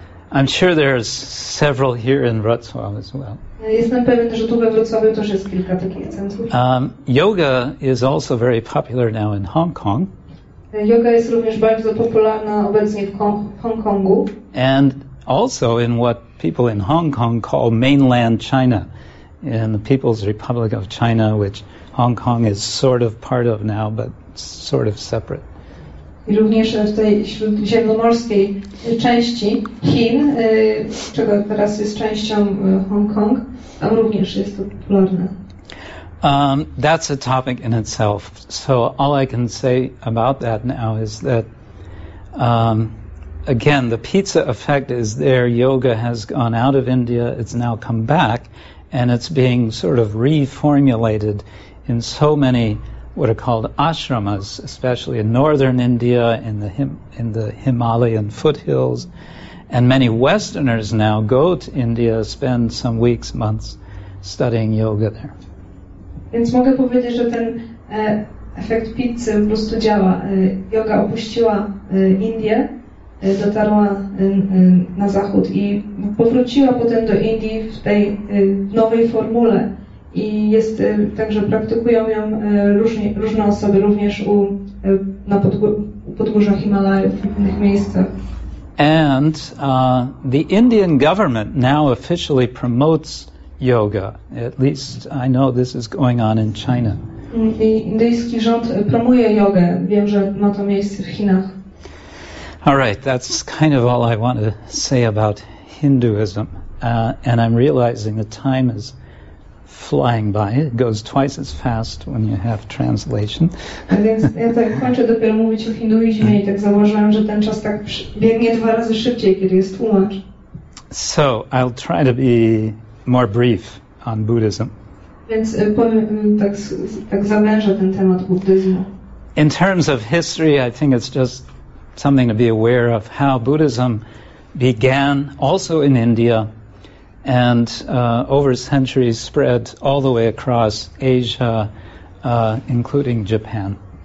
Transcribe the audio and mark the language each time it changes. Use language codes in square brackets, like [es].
[en] I'm sure there's several here in Wrocław as well. [pl] Jestem pewien, że tu we Wrocławiu też jest kilka takich centrów. [en] Yoga is also very popular now in Hong Kong. [pl] Yoga jest również bardzo popularna obecnie w Hongkongu. [en] And also in what people in Hong Kong call mainland China, in the People's Republic of China, which Hong Kong is sort of part of now, but sort of separate. [pl] I również w tej śródziemnomorskiej części Chin, czego teraz jest częścią Hong Kong, tam również jest to popularne. [en] That's a topic in itself. So all I can say about that now is that, again, the pizza effect is there. Yoga has gone out of India. It's now come back, and it's being sort of reformulated in so many what are called ashramas, especially in northern India, in the Himalayan foothills. And many Westerners now go to India, spend some weeks, months studying yoga there. [pl] Więc mogę powiedzieć, że ten efekt pizzy po prostu działa. Yoga opuściła Indię, dotarła na zachód i powróciła potem do Indii w tej nowej formule. I jest także praktykują ją różne osoby, również na podgórzach Himalajów, w innych miejscach. [en] And the Indian government now officially promotes yoga. At least I know this is going on in China. [pl] Indyjski rząd promuje jogę. Wiem, że ma to miejsce w Chinach. [en] All right, that's kind of all I want to say about Hinduism. And I'm realizing the time is flying by. It goes twice as fast when you have translation. [pl] Więc ja tak kończę dopiero mówić o hinduizmie i tak zauważyłem, że ten czas tak biegnie dwa razy szybciej, kiedy jest tłumacz. [en] So, I'll try to be more brief on Buddhism. [pl] Więc powiem, tak zawężę ten temat buddyzmu. [en] In terms of history, I think it's just something to be aware of how Buddhism began also in India and over centuries spread all the way across Asia, including Japan.